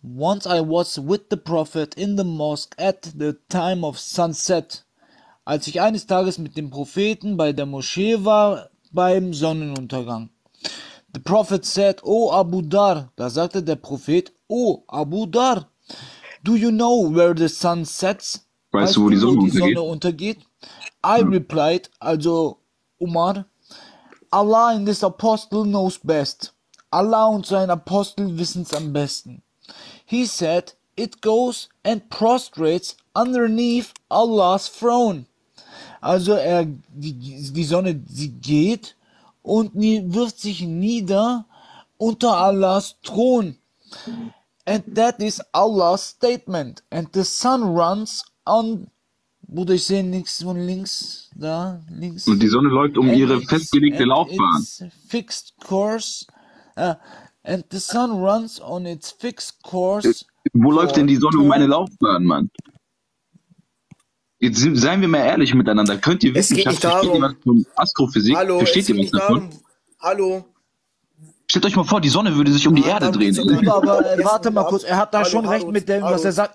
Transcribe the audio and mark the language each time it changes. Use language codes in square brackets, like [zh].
[en] Once I was with the Prophet in the mosque at the time of sunset. [de] Als ich eines Tages mit dem Propheten bei der Moschee war, beim Sonnenuntergang. [en] The Prophet said, O Abu Dar, [de] da sagte der Prophet, O Abu Dar, [en] do you know where the sun sets? [de] Weißt du, wo die Sonne untergeht? [en] I replied, also Umar, Allah and this apostle knows best. [de] Allah und sein Apostel wissen's am besten. [en] He said, it goes and prostrates underneath Allah's throne. [de] Also die Sonne, sie geht und wirft sich nieder unter Allahs Thron. [en] And that is Allah's statement. And the sun runs on. [de] Bruder, ich sehe nichts von links. Da, links. Und die Sonne läuft um ihre festgelegte Laufbahn. [en] Fixed course. And the sun runs on its fixed course. [de] Wo läuft denn die Sonne um meine Laufbahn, Mann? Jetzt seien wir mal ehrlich miteinander. Könnt ihr wissenschaftlich jemand von Astrophysik? Hallo, versteht ihr was davon? Hallo. Stellt euch mal vor, die Sonne würde sich um die Erde drehen. Aber warte mal kurz, er hat da schon recht mit dem, was er sagt.